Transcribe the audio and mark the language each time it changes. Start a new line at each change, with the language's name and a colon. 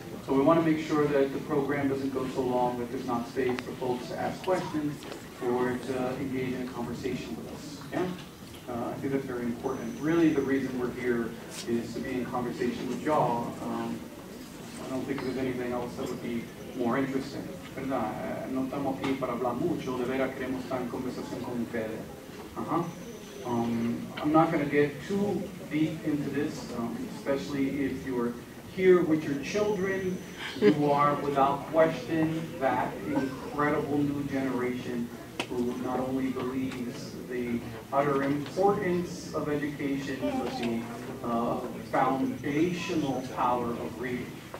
English: So we want to make sure that the program doesn't go so long that there's not space for folks to ask questions or to engage in a conversation with us. Yeah? I think that's very important. Really, the reason we're here is to be in conversation with y'all. I don't think there's anything else that would be more interesting.
Spanish: ¿Verdad? No estamos aquí para hablar mucho. De veras queremos estar en conversación con ustedes.
English: I'm not going to get too deep into this, especially if you're here with your children, you are without question that incredible new generation who not only believes the utter importance of education, but the foundational power of reading.